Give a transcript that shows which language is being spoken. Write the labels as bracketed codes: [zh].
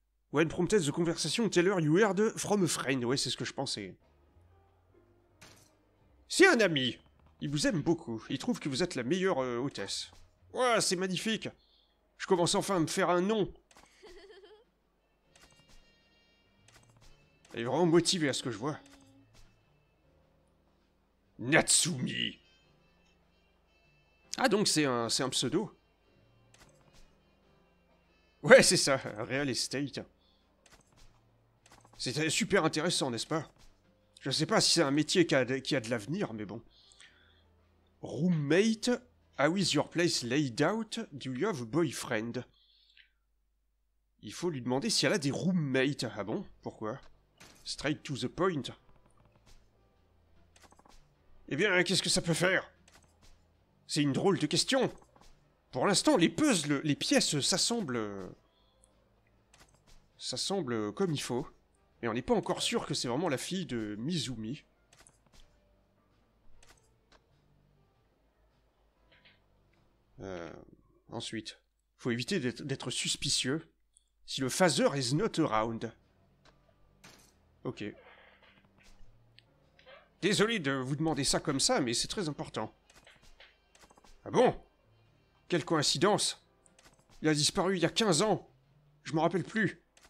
[en] When prompted the conversation, tell her you heard from a friend. [fr] Ouais, c'est ce que je pensais. C'est un ami! Il vous aime beaucoup. Il trouve que vous êtes la meilleure hôtesse. Ouah, c'est magnifique! Je commence enfin à me faire un nom! Elle est vraiment motivée à ce que je vois. Natsumi! Ah, donc c'est un pseudo? Ouais, c'est ça, Real Estate. C'est super intéressant, n'est-ce pas? Je sais pas si c'est un métier qui a de l'avenir, mais bon. [en] Roommate, how is your place laid out? Do you have a boyfriend? [fr] Il faut lui demander si elle a des roommates. Ah bon? Pourquoi? [en] Straight to the point. [fr] Eh bien, qu'est-ce que ça peut faire? C'est une drôle de question. Pour l'instant, les puzzles, les pièces s'assemblent... S'assemblent comme il faut. Et on n'est pas encore sûr que c'est vraiment la fille de Mizumi. Ensuite, faut éviter d'être suspicieux. [en] Si le phaser is not around. [fr] Ok. Désolé de vous demander ça comme ça, mais c'est très important. Ah bon? Quelle coïncidence! Il a disparu il y a 15 ans! Je m'en rappelle plus!